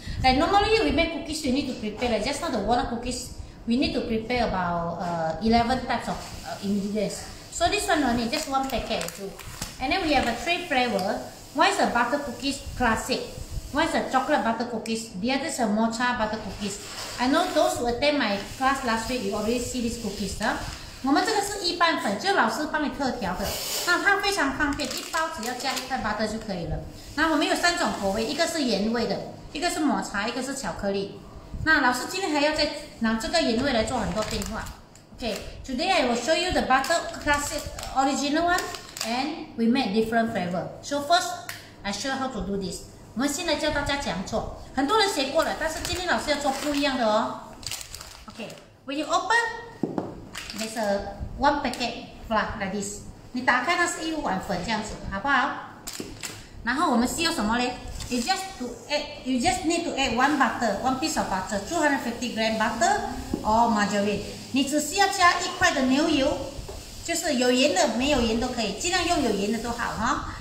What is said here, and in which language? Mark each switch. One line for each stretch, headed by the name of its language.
English: Like normally we make cookies, we need to prepare like just not the water cookies, we need to prepare about 11 types of ingredients. So this one only, just one packet or two. And then we have a three flavor. One is a Butter Cookies Classic. One is a chocolate butter cookies, the other is a mocha butter cookies. I know those who attend my class last week, you already see these cookies.
Chinese: 我们这个是一般粉，就老师帮你特调的。那它非常方便，一包只要加一块 butter 就可以了。那我们有三种口味，一个是原味的，一个是抹茶，一个是巧克力。那老师今天还要再拿这个原味来做很多变化。
English: Okay, today I will show you the butter classic original one, and we make different flavor. So first, I show you how to do this.
Chinese: 我们现在教大家怎样做，很多人学过了，但是今天老师要做不一样的哦。
English: Okay, when you open, there's a one packet flour like this.
Chinese: 你打开它是一碗粉这样子，好不好？然后我们需要什么呢？
English: You just need to add one butter, one piece of butter, 250 gram butter or margarine.
Chinese: 你只需要加一块的牛油，就是有盐的没有盐都可以，尽量用有盐的都好哈。